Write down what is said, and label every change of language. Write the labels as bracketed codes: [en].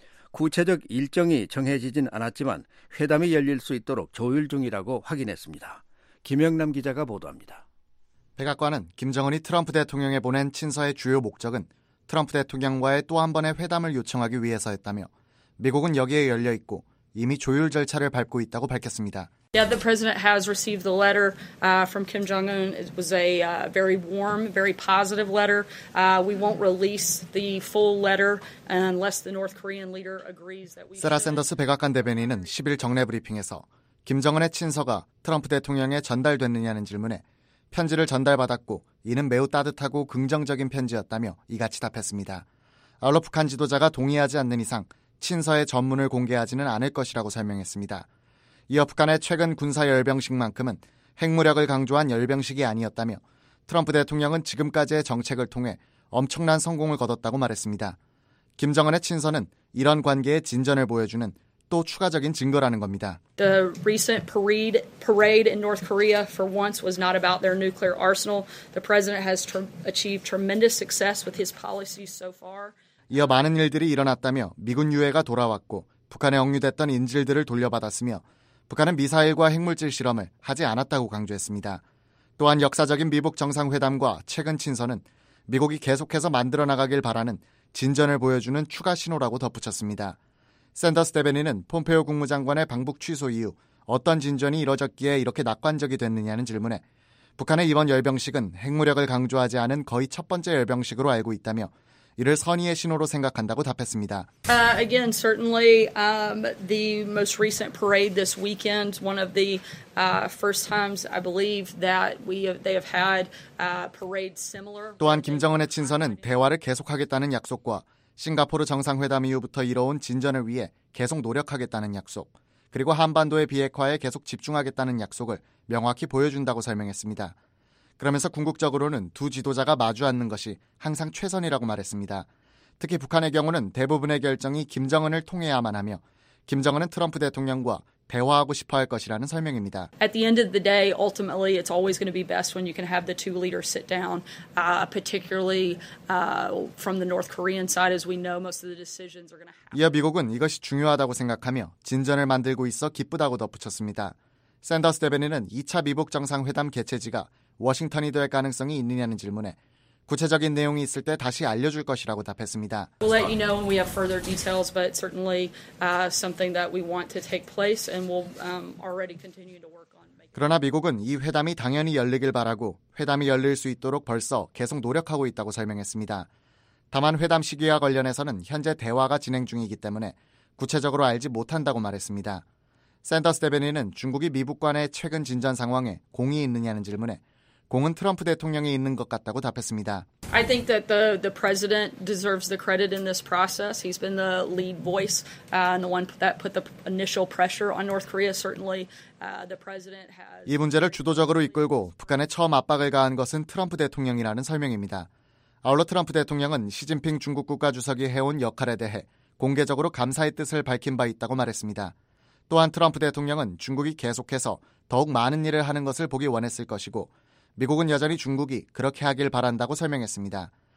[ko] 구체적 일정이 정해지진 않았지만 회담이 열릴 수 있도록 조율 중이라고 확인했습니다. 김영남 기자가 보도합니다. 백악관은 김정은이 트럼프 대통령에 보낸 친서의 주요 목적은 트럼프 대통령과의 또 한 번의 회담을 요청하기 위해서였다며 미국은 여기에 열려 있고 이미 조율 절차를 밟고 있다고 밝혔습니다. [en] Yeah, the president has received the letter from Kim Jong-un. It was a very warm, very positive letter. We won't release the full letter unless the North Korean leader agrees that we. [ko] 세라 샌더스 백악관 대변인은 10일 정례 브리핑에서 김정은의 친서가 트럼프 대통령에 전달됐느냐는 질문에 편지를 전달받았고 이는 매우 따뜻하고 긍정적인 편지였다며 이같이 답했습니다. 아울러 북한 지도자가 동의하지 않는 이상 친서의 전문을 공개하지는 않을 것이라고 설명했습니다. 이어 북한의 최근 군사 열병식만큼은 핵무력을 강조한 열병식이 아니었다며 트럼프 대통령은 지금까지의 정책을 통해 엄청난 성공을 거뒀다고 말했습니다. 김정은의 친서는 이런 관계의 진전을 보여주는 또 추가적인 증거라는 겁니다. [en] The recent parade in North Korea for once was not about their nuclear arsenal. The president has achieved tremendous success with his policies so far. [ko] 이어 많은 일들이 일어났다며 미군 유해가 돌아왔고 북한에 억류됐던 인질들을 돌려받았으며 북한은 미사일과 핵물질 실험을 하지 않았다고 강조했습니다. 또한 역사적인 미북 정상회담과 최근 친서는 미국이 계속해서 만들어 나가길 바라는 진전을 보여주는 추가 신호라고 덧붙였습니다. 샌더스 대변인은 폼페오 국무장관의 방북 취소 이후 어떤 진전이 이뤄졌기에 이렇게 낙관적이 됐느냐는 질문에 북한의 이번 열병식은 핵무력을 강조하지 않은 거의 첫 번째 열병식으로 알고 있다며 이를 선의의 신호로 생각한다고 답했습니다. [en] Again, certainly the most recent parade this weekend, one of the first times I believe that they have had parade similar. [ko] 또한 김정은의 친서는 대화를 계속하겠다는 약속과 싱가포르 정상회담 이후부터 이뤄온 진전을 위해 계속 노력하겠다는 약속, 그리고 한반도의 비핵화에 계속 집중하겠다는 약속을 명확히 보여준다고 설명했습니다. 그러면서 궁극적으로는 두 지도자가 마주 앉는 것이 항상 최선이라고 말했습니다. 특히 북한의 경우는 대부분의 결정이 김정은을 통해야만 하며 김정은은 트럼프 대통령과 대화하고 싶어 할 것이라는 설명입니다. [en] At the end of the day, ultimately, it's always going to be best when you can have the two leaders sit down, particularly from the North Korean side, as we know most of the decisions are going to happen. [ko] 이어 미국은 이것이 중요하다고 생각하며 진전을 만들고 있어 기쁘다고 덧붙였습니다. 샌더스 대변인은 2차 미북 정상회담 개최지가 워싱턴이 될 가능성이 있느냐는 질문에 구체적인 내용이 있을 때 다시 알려줄 것이라고 답했습니다. [en] We'll let you know when we have further details, but certainly something that we want to take place and we'll already continue to work on. [ko] 그러나 미국은 이 회담이 당연히 열리길 바라고 회담이 열릴 수 있도록 벌써 계속 노력하고 있다고 설명했습니다. 다만 회담 시기와 관련해서는 현재 대화가 진행 중이기 때문에 구체적으로 알지 못한다고 말했습니다. 샌더스 대변인은 중국이 미북 간의 최근 진전 상황에 공이 있느냐는 질문에 공은 트럼프 대통령이 있는 것 같다고 답했습니다. [en] I think that the president deserves the credit in this process. He's been the lead voice and the one that put the initial pressure on North Korea. Certainly, the president has. [ko] 이 문제를 주도적으로 이끌고 북한에 처음 압박을 가한 것은 트럼프 대통령이라는 설명입니다. 아울러 트럼프 대통령은 시진핑 중국 국가 주석이 해온 역할에 대해 공개적으로 감사의 뜻을 밝힌 바 있다고 말했습니다. 또한 트럼프 대통령은 중국이 계속해서 더욱 많은 일을 하는 것을 보기 원했을 것이고 미국은 여전히 중국이 그렇게 하길 바란다고 설명했습니다.